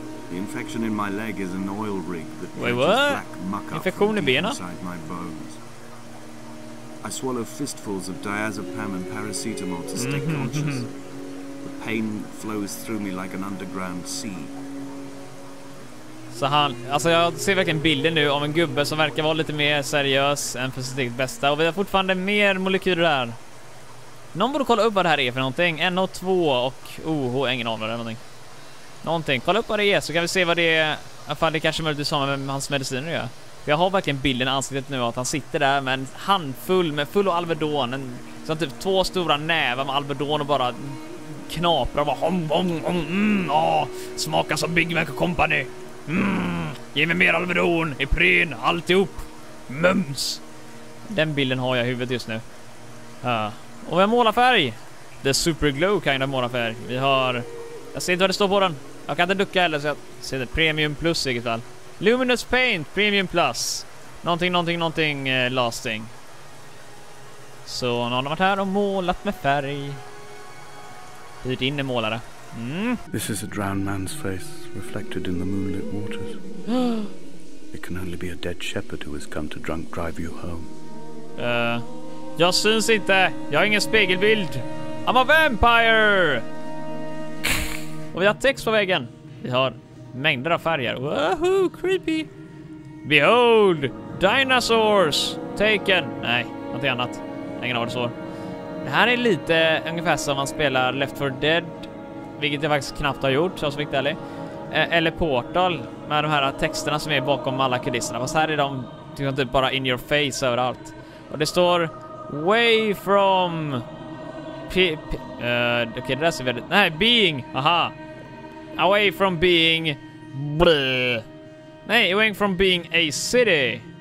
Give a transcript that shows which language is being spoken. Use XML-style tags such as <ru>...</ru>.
<en>The infection in my leg is an oil rig that catches black muck up inside my bones. I swallow fistfuls of diazepam and paracetamol to stay conscious. The pain flows through me like an underground sea.</en> <sv>Så han, alltså jag ser verkligen bilden nu av en gubbe som verkar vara lite mer seriös än för sitt eget bästa. Och vi har fortfarande mer molekyler här. Någon borde kolla upp vad det här är för någonting. NO2 och OH, ingen aning eller någonting. Någonting, kolla upp vad det är så kan vi se vad det är. I alla fall det kanske är möjligt med hans mediciner gör. För jag har verkligen bilden i ansiktet nu att han sitter där med en handfull med full av Alvedon, en sån typ två stora nävar med Alvedon och bara knapra och bara hom, hom, hom, smaka som Big Mac Company. Ge mig mer Alvedon, Ipren, alltihop. Mums. Den bilden har jag i huvudet just nu. Och vem målar färg?</sv> <en>The Super Glow kind of</en> <sv>målar färg. Vi har... Jag ser inte vad det står på den. Jag kan inte ducka heller så jag ser det. Premium Plus i alla fall.</sv> <en>Luminous Paint, Premium Plus. Någonting lasting.</en> <sv>Så någon har varit här och målat med färg. Hyrt in en målare.</sv> <en>This is a drowned man's face reflected in the moonlit waters. It can only be a dead shepherd who has come to drunk drive you home.</en> <sv>Jag syns inte. Jag har ingen spegelbild.</sv> <en>I'm a vampire!</en> <sv>Och vi har text på väggen. Vi har mängder av färger. Woohoo, creepy!</sv> <en>Behold! Dinosaurs! Taken!</en> <sv>Nej, något annat. Ingen av det så. Det här är lite ungefär som man spelar Left 4 Dead. Vilket jag faktiskt knappt har gjort, så jag är så viktig ärlig. Eller Portal. Med de här texterna som är bakom alla kulisserna. Fast här är de typ bara</sv> <en>in your face</en> <sv>överallt. Och det står...</sv> <en>Way from...</en> <sv>Okej, det där ser väldigt...</sv> <en>Nej, being! Aha! Away from being... Bleh. Nej, away from being a city!</en>